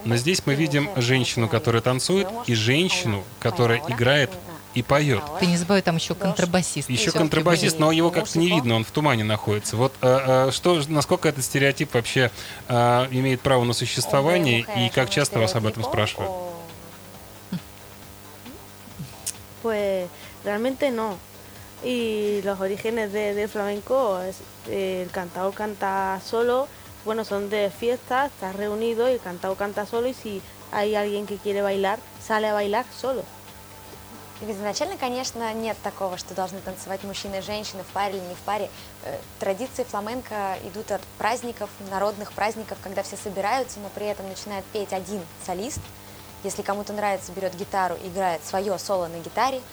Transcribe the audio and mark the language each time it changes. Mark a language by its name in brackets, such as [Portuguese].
[Russian] Но здесь мы видим женщину, которая танцует, и женщину, которая играет и поет. Ты не забывай, там еще контрабасист. Еще контрабасист, но его как-то не видно, он в тумане находится. Вот что, насколько этот стереотип вообще имеет право на существование, и как часто вас об этом спрашивают? [Spanish] Pues realmente no. Y los orígenes de flamenco, el cantao canta solo, bueno, son de fiesta, estás reunido y el cantao canta solo, y si hay alguien que quiere bailar, sale a bailar solo. [Russian] Ведь изначально, конечно, нет такого, что должны танцевать мужчины и женщины в паре или не в паре. Традиции фламенко идут от праздников, народных праздников, когда все собираются, но при этом начинает петь один солист. Если кому-то нравится, берет гитару, играет свое соло на гитаре.